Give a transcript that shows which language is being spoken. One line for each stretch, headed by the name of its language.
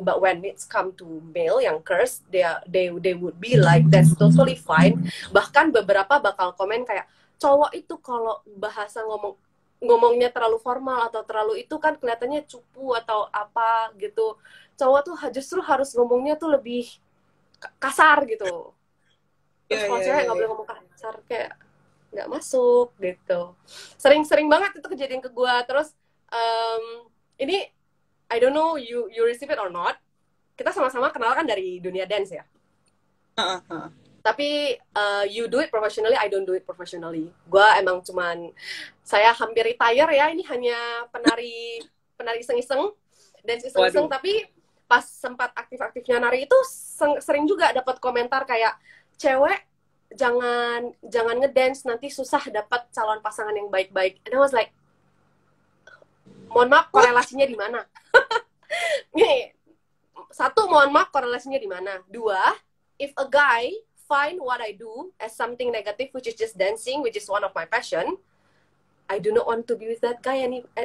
English: But when it's come to male yang curse, they would be like, that's totally fine.
Indonesian: Bahkan beberapa bakal komen kayak, cowok itu kalau bahasa ngomongnya terlalu formal atau terlalu itu kan kelihatannya cupu atau apa gitu. Cowok tuh justru harus ngomongnya tuh lebih kasar gitu. Terus kalau cewek nggak boleh ngomong kasar, kayak nggak masuk gitu. Sering-sering banget itu kejadian ke gue. Terus ini
English: I don't know you receive it or not.
Indonesian: Kita sama-sama kenal kan dari dunia dance ya. Tapi
English: you do it professionally, I don't do it professionally.
Indonesian: Gua emang cuman, saya hampir retire ya, ini hanya penari iseng-iseng, dance iseng-iseng. Waduh. Tapi pas sempat aktif-aktifnya nari itu sering juga dapat komentar kayak, cewek jangan ngedance, nanti susah dapat calon pasangan yang baik-baik.
English: And I was like,
Indonesian: mohon maaf, korelasinya di mana? Nih, satu, mohon maaf, korelasinya di mana? Dua,
English: if a guy find what I do as something negative, which is just dancing, which is one of my passion, I do not want to be with that guy any.